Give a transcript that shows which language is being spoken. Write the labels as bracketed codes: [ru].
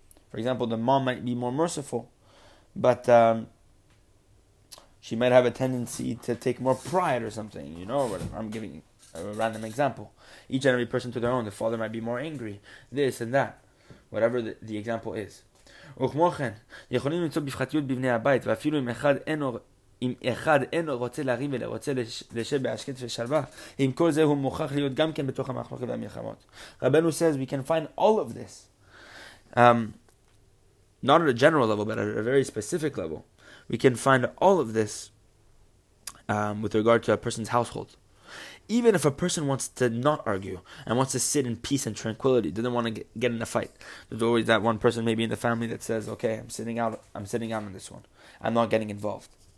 [en] For example, the mom might be more merciful, but she might have a tendency to take more pride or something, you know, whatever. I'm giving a random example. Each and every person to their own. The father might be more angry, this and that, whatever the example is. [he] וכמו כן, יכולים למצוא בפחתיות בבני הבית, ואפילו אם אחד אינו... אם אחד אינו רוצה להרים ורוצה לשב בהשקט ושלווה, אם כל זה הוא מוכרח להיות גם כן בתוך המחלוקת והמלחמות. [en] Rabbeinu says, we can find all of this, not at a general level, but at a very specific level. We can find all of this with regard to a person's household. Even if a person wants to not argue and wants to sit in peace and tranquility, doesn't want to get in a fight, there's always that one person maybe in the family that says, okay, I'm sitting out on this one. I'm not getting involved.